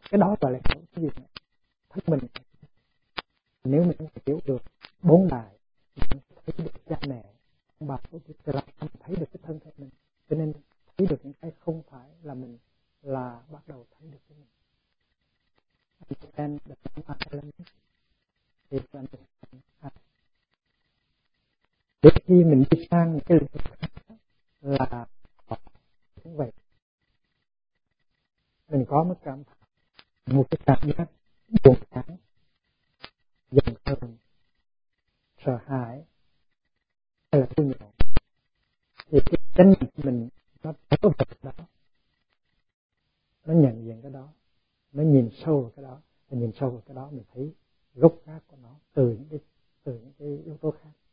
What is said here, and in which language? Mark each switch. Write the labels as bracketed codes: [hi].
[vi] Cái đó gọi là hiểu cái gì nữa. Thân mình, nếu mình hiểu được bốn đại, mình thấy được cha mẹ, ông bà tổ tiên, là mình thấy được cái thân thể mình. Cho nên thấy được những cái không phải là mình, là bắt đầu thấy được cái mình. [en] Then the element is understanding. [vi] Để khi mình đi sang cái lĩnh vực khác là cũng vậy, mình có một cảm giác, một cái cảm giác buồn chán, giận hờn, sợ hãi hay là thương nhộn, thì cái chánh niệm của mình nó có vật đó, nó nhận diện cái đó, nó nhìn sâu vào cái đó, mình nhìn sâu vào cái đó mình thấy gốc gác của nó từ những cái yếu tố khác.